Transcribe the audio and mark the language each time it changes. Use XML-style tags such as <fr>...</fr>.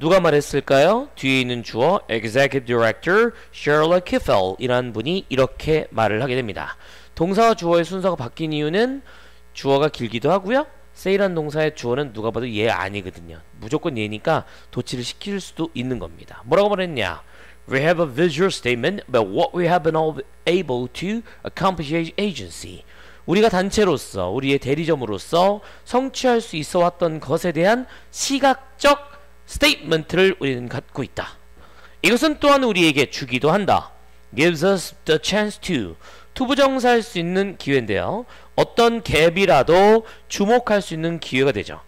<ko>누가 말했을까요? 뒤에 있는 주어 Executive Director Sherlock Kiffel 이라는 분이 이렇게 말을 하게 됩니다. 동사와 주어의 순서가 바뀐 이유는 주어가 길기도 하고요. say란 동사의 주어는 누가 봐도 얘 아니거든요. 무조건 얘니까 도치를 시킬 수도 있는 겁니다. 뭐라고 말했냐?</ko> <en>We have a visual statement about what we have been able to accomplish agency.</en> <ko>우리가 단체로서 우리의 대리점으로서 성취할 수 있어 왔던 것에 대한 시각적 스테이트먼트를 우리는 갖고 있다. 이것은 또한 우리에게 주기도 한다.</ko> <en>Gives us the chance to.</en> <ko>투부정사할 수 있는 기회인데요. 어떤 갭이라도 주목할 수 있는 기회가 되죠.</ko>